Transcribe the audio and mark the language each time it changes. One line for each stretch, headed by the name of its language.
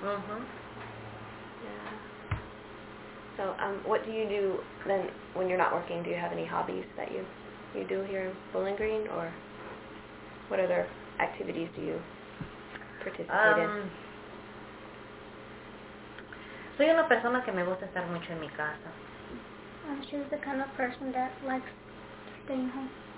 English: Mm-hmm. Yeah. So, what do you do then when you're not working? Do you have any hobbies that you do here in Bowling Green, or what other activities do you participate in?
Spanish: Soy una persona que me gusta estar mucho en mi casa.
English: She's the kind of person that likes staying home.